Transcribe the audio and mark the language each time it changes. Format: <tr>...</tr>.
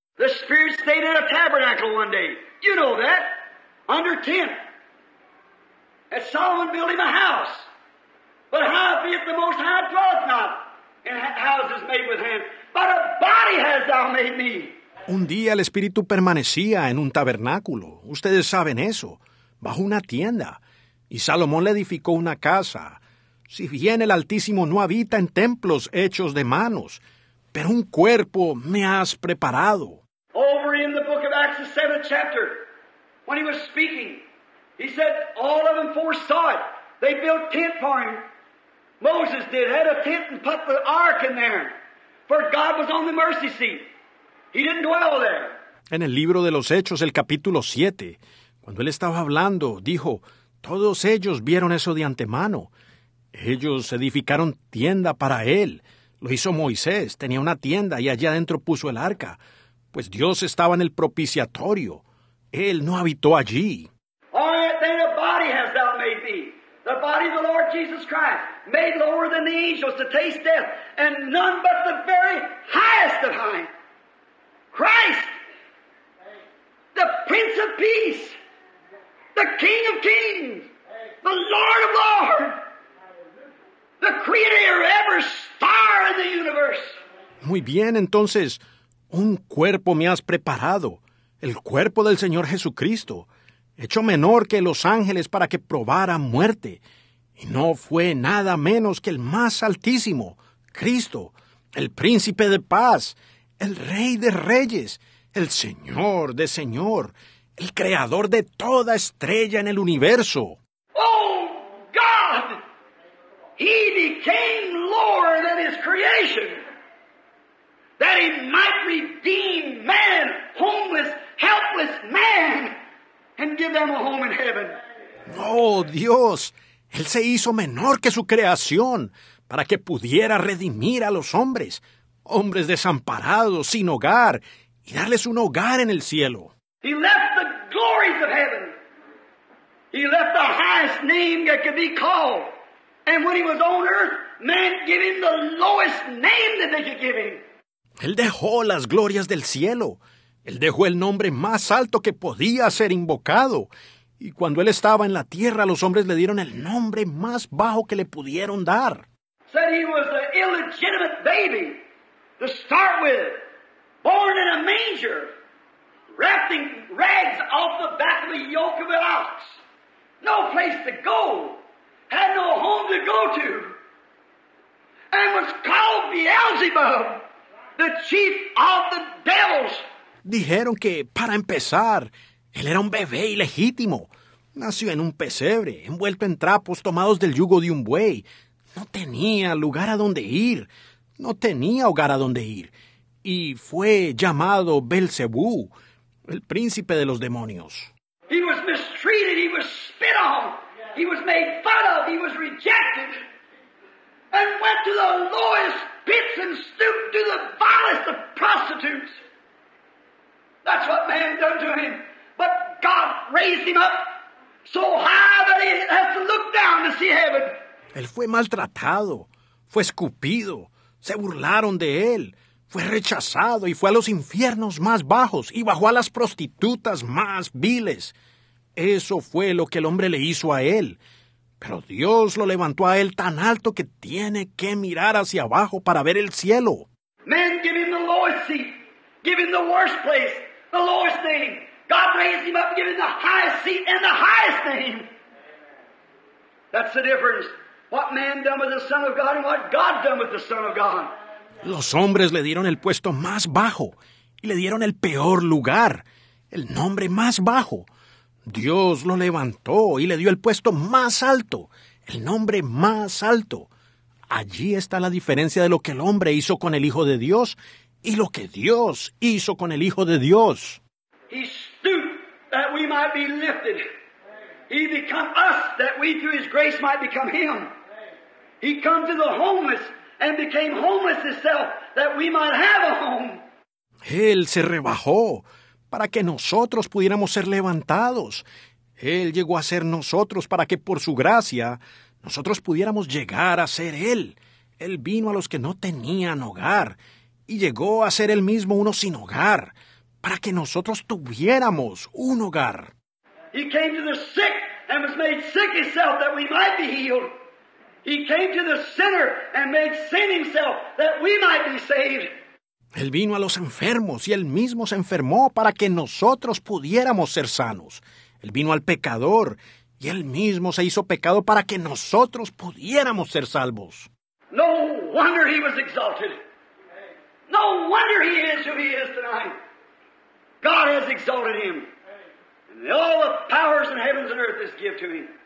<en>The Spirit stayed in a tabernacle one day. You know that. Under tent. And Solomon built him a house. But howbeit the Most High dwelleth not in houses made with hands. But a body has thou made me.</en> <es>Un día el Espíritu permanecía en un tabernáculo. Ustedes saben eso. Bajo una tienda. Y Salomón le edificó una casa. Si bien el Altísimo no habita en templos hechos de manos, pero un cuerpo me has preparado.</es> <en>Over in the book of Acts, the 7th chapter, when he was speaking, he said, all of them foresaw it. They built tent for him. Moses did, had a tent and put the ark in there. For God was on the mercy seat. He didn't dwell there.</en> <es>En el libro de los Hechos, el capítulo 7, cuando él estaba hablando, dijo, todos ellos vieron eso de antemano. Ellos edificaron tienda para él. Lo hizo Moisés, tenía una tienda y allá adentro puso el arca. Pues Dios estaba en el propiciatorio. Él no habitó allí.</es> <en>All right, then a body hast thou made me. The body of the Lord Jesus Christ, made lower than the angels to taste death. And none but the very highest of high. Christ, the Prince of Peace. the King of Kings, the Lord of Lords, the Creator of every star in the universe.</en> <es>Muy bien, entonces, un cuerpo me has preparado, el cuerpo del Señor Jesucristo, hecho menor que los ángeles para que probara muerte, y no fue nada menos que el más altísimo, Cristo, el Príncipe de Paz, el Rey de Reyes, el Señor de Señor, el Creador de toda estrella en el universo.</es> <en>¡Oh, God! He became Lord of His creation, that He might redeem man, homeless, helpless man, and give them a home in heaven.</en> <es>¡Oh, Dios! Él se hizo menor que su creación, para que pudiera redimir a los hombres, hombres desamparados, sin hogar, y darles un hogar en el cielo.</es> <en>He left the glories of heaven. He left the highest name that could be called. And when he was on earth, man gave him the lowest name that they could give him.</en> <es>Él dejó las glorias del cielo. Él dejó el nombre más alto que podía ser invocado. Y cuando él estaba en la tierra, los hombres le dieron el nombre más bajo que le pudieron dar.</es> <en>Said he was an illegitimate baby to start with, born in a manger, wrapping rags off the back of the yoke of an ox. No place to go, had no home to go to, and was called Beelzebub, the chief of the devils.</en> <es>Dijeron que, para empezar, él era un bebé ilegítimo. Nació en un pesebre, envuelto en trapos tomados del yugo de un buey. No tenía lugar a donde ir. No tenía hogar a donde ir. Y fue llamado Belcebú, el príncipe de los demonios.</es> <en>He was mistreated, he was spit on, he was made fun of, he was rejected, and went to the lowest pits and stooped to the vilest of prostitutes. That's what man done to him. But God raised him up so high that he has to look down to see heaven.</en> <es>Él fue maltratado, fue escupido, se burlaron de él, fue rechazado y fue a los infiernos más bajos y bajó a las prostitutas más viles. Eso fue lo que el hombre le hizo a él. Pero Dios lo levantó a él tan alto que tiene que mirar hacia abajo para ver el cielo.</es> <en>Man gave him the lowest seat, gave him the worst place, the lowest name. God raised him up, gave him the highest seat and the highest name. That's the difference. What man done with the Son of God and what God done with the Son of God.</en> <es>Los hombres le dieron el puesto más bajo y le dieron el peor lugar, el nombre más bajo. Dios lo levantó y le dio el puesto más alto, el nombre más alto. Allí está la diferencia de lo que el hombre hizo con el Hijo de Dios y lo que Dios hizo con el Hijo de Dios.</es> <en>He stooped that we might be lifted. He become us that we through his grace might become him. He come to the homeless and became homeless himself that we might have a home.</en> <es>Él se rebajó para que nosotros pudiéramos ser levantados. Él llegó a ser nosotros para que por su gracia nosotros pudiéramos llegar a ser él. Él vino a los que no tenían hogar y llegó a ser él mismo uno sin hogar para que nosotros tuviéramos un hogar.</es> <en>He came to the sick and was made sick himself that we might be healed. He came to the sinner and made sin himself that we might be saved.</en> <es>Él vino a los enfermos y él mismo se enfermó para que nosotros pudiéramos ser sanos. Él vino al pecador y él mismo se hizo pecado para que nosotros pudiéramos ser salvos.</es> <en>No wonder he was exalted. No wonder he is who he is tonight. God has exalted him. All the powers in heavens and earth is given to me.</en>